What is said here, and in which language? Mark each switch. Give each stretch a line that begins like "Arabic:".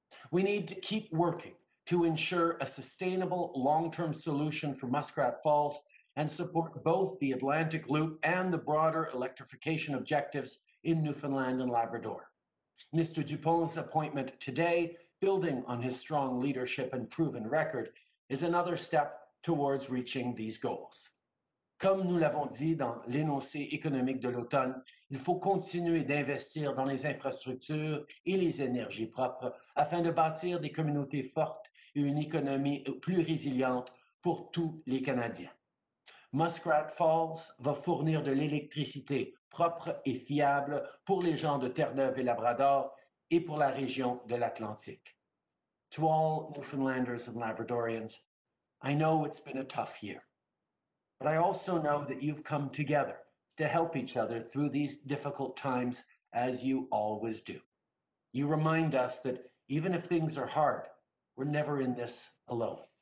English: We need to keep working to ensure a sustainable long-term solution for Muskrat Falls and support both the Atlantic Loop and the broader electrification objectives in Newfoundland and Labrador. Mr. Dupont's appointment today, building on his strong leadership and proven record, is another step towards reaching these goals.
French: Comme nous l'avons dit dans l'énoncé économique de l'automne, il faut continuer d'investir dans les infrastructures et les énergies propres afin de bâtir des communautés fortes et une économie plus résiliente pour tous les Canadiens. Muskrat Falls va fournir de l'électricité propre et fiable pour les gens de Terre-Neuve et Labrador et pour la région de l'Atlantique.
English: To all Newfoundlanders and Labradorians, I know it's been a tough year. But I also know that you've come together to help each other through these difficult times, as you always do. You remind us that even if things are hard, we're never in this alone.